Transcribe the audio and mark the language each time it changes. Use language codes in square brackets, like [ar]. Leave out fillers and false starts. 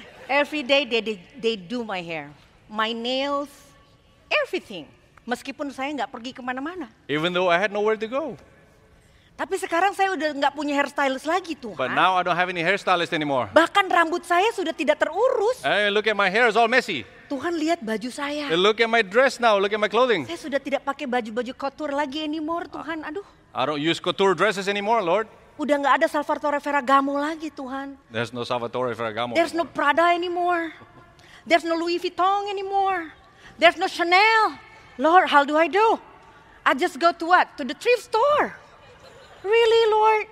[en] Every day they do my hair, my nails, everything. [id] Meskipun saya nggak pergi kemana-mana. [en] Even though I had nowhere to go. [id] Tapi sekarang saya udah nggak punya hairstylist lagi, Tuhan. [en] But now I don't have any hairstylist anymore. [id] Bahkan rambut saya sudah tidak terurus. [en] Hey, look at my hair, it's all messy. [id] Tuhan, lihat baju saya. [en] Hey, look at my dress now, look at my clothing. [id] Saya sudah tidak pakai baju-baju couture lagi anymore, Tuhan, aduh. [en] I don't use couture dresses anymore, Lord. [id] Udah nggak ada Salvatore Ferragamo lagi, Tuhan. [en] There's no Salvatore Ferragamo. There's no Prada anymore. There's no Louis Vuitton anymore. There's no Chanel. Lord, how do I do? I just go to what? To the thrift store. Really, Lord?